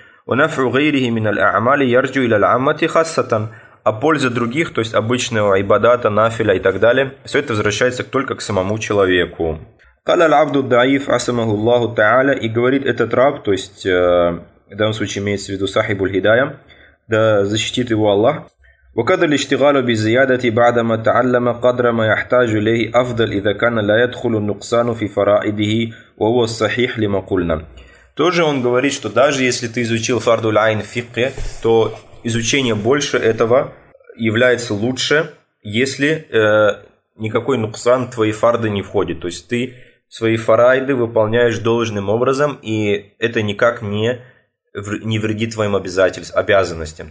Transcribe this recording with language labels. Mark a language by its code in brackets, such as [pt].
[ar] Унафу гайрихи миналь аамали ярджиу иля ламати хассатан, [ru] а польза других, то есть обычного ибадата, нафиля и так далее, все это возвращается только к самому человеку. [ar] Кала аль-абду ад-даиф асамаху Аллаху та'аля, [ru] и говорит этот раб, то есть в данном случае имеется в виду сахибу аль-хидая, да защитит его Аллах. [ar] وقد الاشتغال بالزيادة بعدما تعلم قدر ما يحتاج إليه أفضل إذا كان لا يدخل النقصان في فرائضه وهو الصحيح لما قلنا. [ru] Тоже он говорит, что даже если ты изучил фарду аль-айн в фикхе, то изучение больше этого является лучше, если никакой нуксан твоей фарды не входит. То есть ты свои фарайды выполняешь должным образом, и это никак не вредит твоим обязанностям.